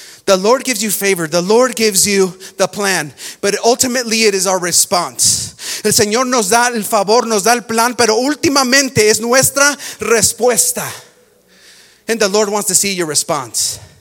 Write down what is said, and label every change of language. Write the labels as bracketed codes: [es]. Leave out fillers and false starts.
[en] The Lord gives you favor, the Lord gives you the plan, but ultimately it is our response. [es] El Señor nos da el favor, nos da el plan, pero últimamente es nuestra respuesta. [en] And the Lord wants to see your response.